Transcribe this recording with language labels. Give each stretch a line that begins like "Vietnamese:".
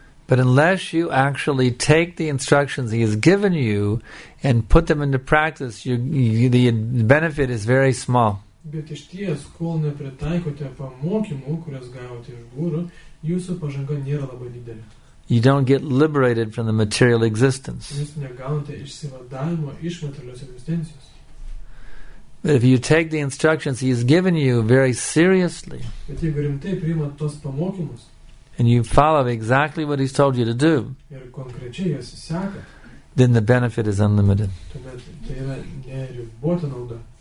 English: But unless you actually take the instructions he has given you and put them into practice, the benefit is very small.
Lithuanian: Bet iš ties, kol nepritaikote pamokymų, kurias gavote iš guru, jūsų pažanga nėra labai didelė.
English: You don't get liberated from the material existence.
Lithuanian: Jūs negaunate išsivadavimo iš materialios egzistencijos.
English: But if you take the instructions he's given you very seriously,
Lithuanian: bet jeigu rimtai priimat tos pamokymus,
English: and you follow exactly what he's told you to do,
Lithuanian: ir konkrečiai jas sekat,
English: then the benefit is unlimited.
Lithuanian: Tuomet tai yra neribota nauda.